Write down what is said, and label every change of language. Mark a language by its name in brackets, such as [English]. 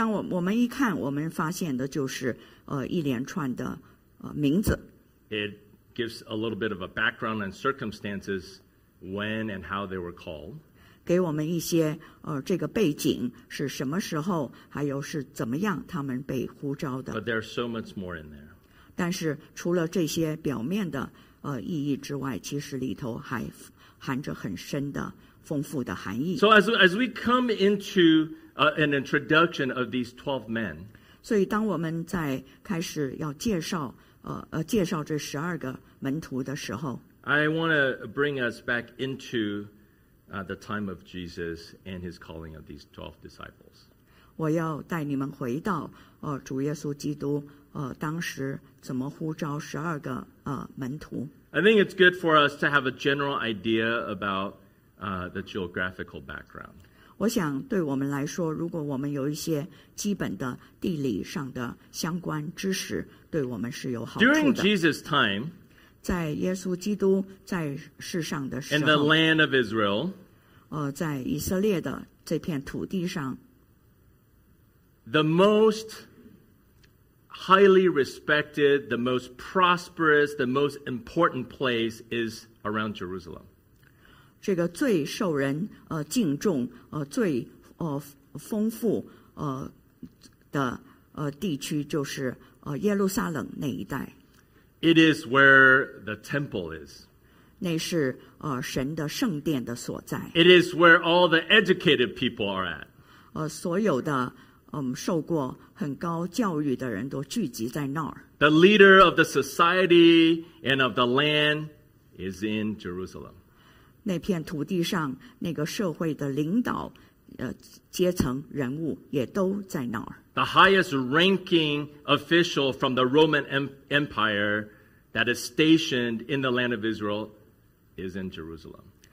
[Chinese] 我们一看，我们发现的就是一连串的名字。 [English] It gives a little bit of a background and circumstances when and how they were called. [Chinese] 给我们一些这个背景是什么时候，还有是怎么样他们被呼召的。 [English] But there's so much more in there. [Chinese] 但是除了这些表面的意义之外，其实里头还含着很深的丰富的含义。 [English] So as we come into an introduction of these 12 men, [Chinese] 所以当我们在开始要介绍这十二个门徒的时候， [English] I want to bring us back into the time of Jesus and his calling of these 12 disciples. [Chinese] 我要带你们回到主耶稣基督当时怎么呼召十二个门徒。 [English] I think it's good for us to have a general idea about the geographical background. [Chinese] 我想对我们来说，如果我们有一些基本的地理上的相关知识，对我们是有好处的。 [English] During Jesus' time, [Chinese] 在耶稣基督在世上的时候， [English] in the land of Israel, [Chinese] 在以色列的这片土地上， [English] the most highly respected, the most prosperous, the most important place is around Jerusalem. [Chinese] 这个最受人敬重最丰富的地区就是耶路撒冷那一带。 [English] It is where the temple is. [Chinese] 那是神的圣殿的所在。 [English] It is where all the educated people are at. [Chinese] 所有的受过很高教育的人都聚集在那儿。 [English] The leader of the society and of the land is in Jerusalem. [Chinese] 那片土地上那个社会的领导阶层人物也都在那儿。 [English] The highest ranking official from the Roman Empire that is stationed in the land of Israel is in Jerusalem.